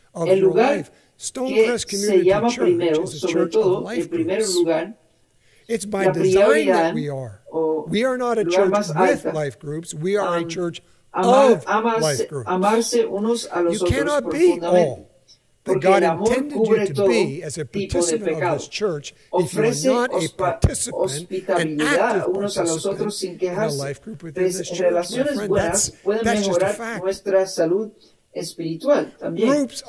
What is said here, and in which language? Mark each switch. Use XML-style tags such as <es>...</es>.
<es>El lugar que se llama primero, sobre todo, en primer lugar,</es> <en>it's by</en> <es>la prioridad</es> <en>that we are. We are not a church with life groups, we are a church</en> <es>amarse unos a los otros profundamente. Porque el amor cubre todo tipo de pecado. Ofrece hospitalidad unos a los otros sin quejarse. Relaciones buenas pueden mejorar nuestra salud espiritual también.</es>